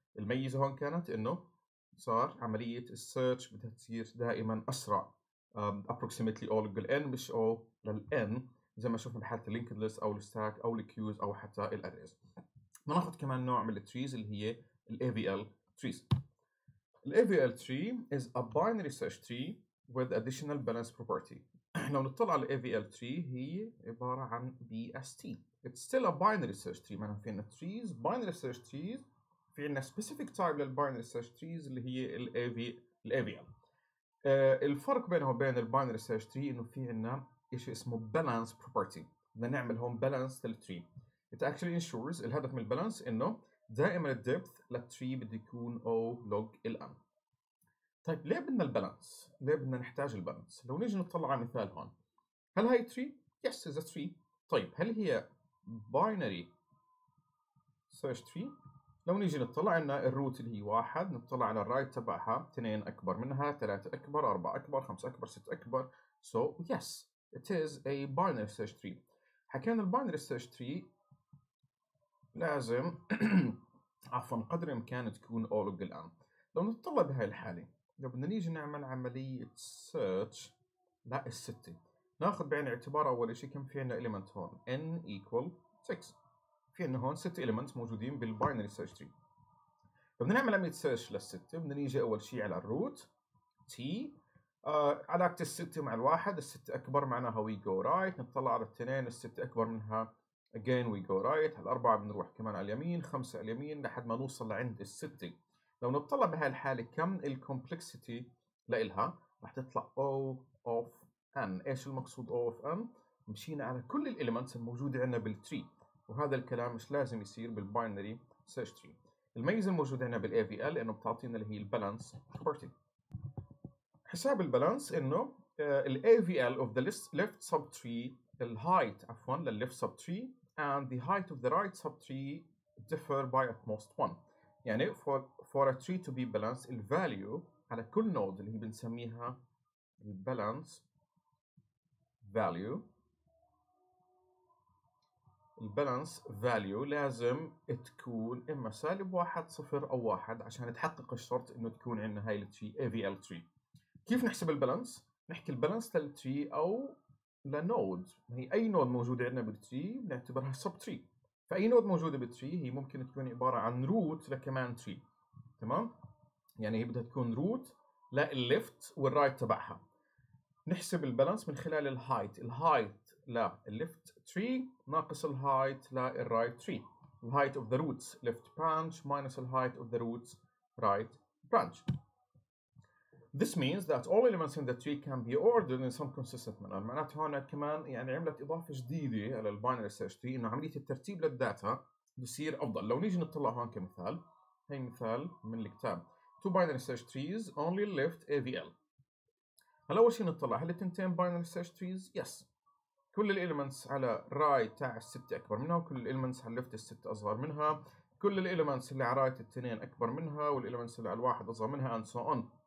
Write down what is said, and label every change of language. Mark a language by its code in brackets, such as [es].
[ar] الميزه هون كانت انه صار عمليه السيرش بدها تصير دائما اسرع. [en] Approximately all [ar] لل n مش all لل n زي ما شفنا بحاله اللينكد ليست او الستاك او الكيوز او حتى الاريز. بناخذ كمان نوع من التريز اللي هي الـ AVL trees. [en] الـ AVL tree is a binary search tree with additional balance property. [ar] لو نطلع على الـ AVL tree هي عبارة عن BST. [en] It's still a binary search tree. [ar] معناها في عنا [en] trees, binary search trees. [ar] في عنا specific type للـ binary search trees اللي هي الـ AVL. الفرق بينه وبين الـ binary search tree إنه في عنا إشي اسمه balance property. بدنا نعمل هون balance للـ tree. [en] It actually ensures [ar] الهدف من البالانس انه دائما الديبث للتري بده يكون او لوج الان. طيب ليه بدنا البالانس؟ ليه بدنا نحتاج البالانس؟ لو نيجي نطلع على مثال هون، هل هاي تري؟ [en] Yes is tree. [ar] طيب هل هي باينري سيرش تري؟ لو نيجي نطلع عندنا الروت اللي هي واحد، نطلع على الرايت تبعها اثنين اكبر منها، ثلاثه اكبر، اربعه اكبر، خمسه اكبر، سته اكبر. [en] So yes it is a binary search tree. [ar] حكينا الباينري سيرش تري لازم عفوا قدر الامكان تكون او لوج الان. لو نطلع بهاي الحاله، لو بدنا نيجي نعمل عمليه سيرش لا الستة، ناخذ بعين الاعتبار اول شيء كم في عندنا اليمنت هون n equal 6. في عندنا هون 6 اليمنت موجودين بالباينري سيرش تري. لو بدنا نعمل عمليه سيرش للسته، بدنا نيجي اول شيء على الروت تي. علاقه الستة مع الواحد، الستة اكبر معناها [en] We go right. [ar] نطلع على الاثنين، الستة اكبر منها [en] again we go right. [ar] الأربعة بنروح كمان على اليمين، خمسة على اليمين لحد ما نوصل لعند الستة. لو نطلع بهالحالة كم الكومبلكسيتي لإلها، رح تطلع O of N. إيش المقصود O of N؟ مشينا على كل الإليمنتس الموجودة عندنا بالتري، وهذا الكلام مش لازم يصير بالباينري سيرش تري. الميزة الموجودة عندنا بالـ AVL إنه بتعطينا اللي هي البالانس بروبرتي. حساب البالانس إنه الـ [en] AVL of the left subtree the height of one the left subtree and the height of the right subtree differ by at most one. يعني for a tree to be balanced the value على كل node [ar] اللي هي بنسميها [en] the balance value. The balance value [ar] لازم تكون اما سالب واحد صفر او واحد عشان تحقق الشرط انه تكون عندنا هاي التري AVL tree. كيف نحسب البالانس؟ نحكي البالانس للتري او لنود، هي اي نود موجوده عندنا بالتري بنعتبرها سب تري. فاي نود موجوده بالتري هي ممكن تكون عباره عن روت لكمان تري، تمام؟ يعني هي بدها تكون روت للليفت والرايت تبعها. نحسب البالانس من خلال الهايت، الهايت للليفت تري ناقص الهايت للرايت تري. [en] الهايت of the root's left branch minus الهايت of the root's right branch. This means that all elements in the tree can be ordered in some consistent manner. [ar] معناته هون كمان يعني عملت إضافة جديدة على الباينري سيرش تري إنه عملية الترتيب للداتا بصير أفضل. لو نيجي نطلع هون كمثال، هي مثال من الكتاب. [en] Two binary search trees only left AVL. [ar] هلا أول شيء نطلع، هل التنتين binary search trees؟ Yes. كل الإليمنتس على رايت تاع الستة أكبر منها، وكل الإليمنتس على ليفت الستة أصغر منها، كل الإليمنتس اللي على رايت التنين أكبر منها، والإليمنتس اللي على الواحد أصغر منها، [en] and so on.